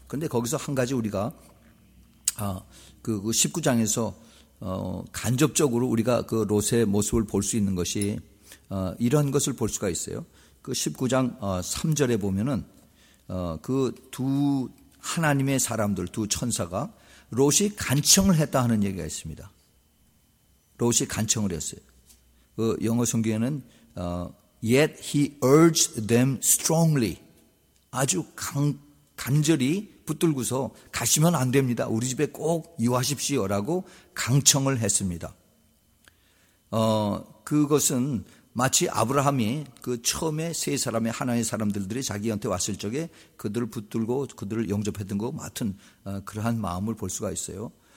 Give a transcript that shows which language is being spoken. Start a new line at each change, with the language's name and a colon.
Korean: 그런데 거기서 한 가지 우리가 그 19장에서 간접적으로 우리가 그 롯의 모습을 볼 수 있는 것이 이런 것을 볼 수가 있어요. 그 19장 3절에 보면은 그 두 하나님의 사람들, 두 천사가 롯이 간청을 했다 하는 얘기가 있습니다. 롯이 간청을 했어요. 그 영어 성경에는
English: yet he urged them strongly.
Korean: 아주 간절히 붙들고서 가시면 안 됩니다. 우리 집에 꼭 유하십시오라고 강청을 했습니다. 그것은 마치 아브라함이 그 처음에 세 사람의 하나의 사람들이 자기한테 왔을 적에 그들을 붙들고 그들을 영접했던 것 같은 그러한 마음을 볼 수가 있어요.